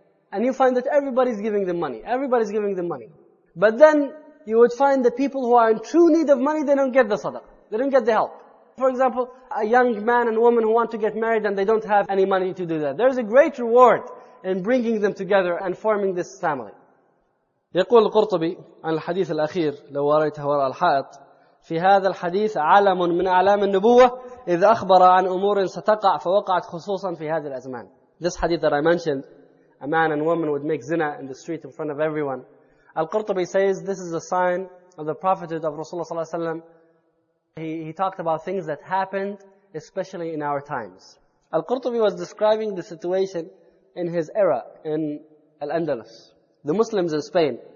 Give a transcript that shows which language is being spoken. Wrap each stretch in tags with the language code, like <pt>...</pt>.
<en>And you find that everybody's giving them money. Everybody's giving them money. But then you would find the people who are in true need of money, they don't get the sadaqah. They don't get the help. For example, a young man and woman who want to get married and they don't have any money to do that. There's a great reward in bringing them together and forming this family.</en> <ar>يقول القرطبي عن الحديث الأخير لو وريته وراء الحائط في هذا الحديث عالم من أعلام النبوة إذ أخبر عن أمور ستقع فوقعت خصوصا في هذه الأزمان.</ar> <en>This hadith that I mentioned, a man and woman would make zina in the street in front of everyone. Al-Qurtubi says this is a sign of the prophethood of Rasulullah ﷺ. He talked about things that happened, especially in our times. Al-Qurtubi was describing the situation in his era in Al-Andalus, the Muslims in Spain.</en>